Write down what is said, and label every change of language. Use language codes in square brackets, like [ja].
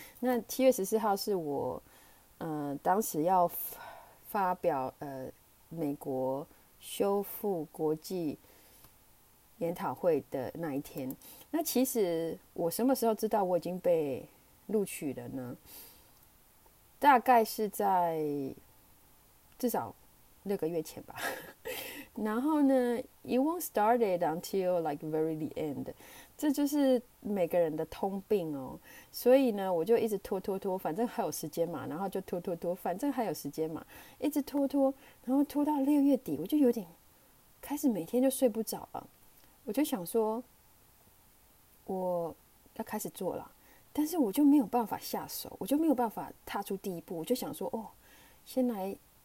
[zh] 那7月14号是我当时要发表美国修复国际研讨会的那一天。那其实我什么时候知道我已经被录取了呢？大概是在至少六个月前吧。然后呢 [en] ，It won't started until like very the end。 [zh] 这就是每个人的通病哦，所以呢，我就一直拖拖拖，反正还有时间嘛，然后就拖拖拖，反正还有时间嘛，一直拖拖，然后拖到六月底，我就有点开始每天就睡不着了，我就想说我要开始做了，但是我就没有办法下手，我就没有办法踏出第一步，我就想说哦，先来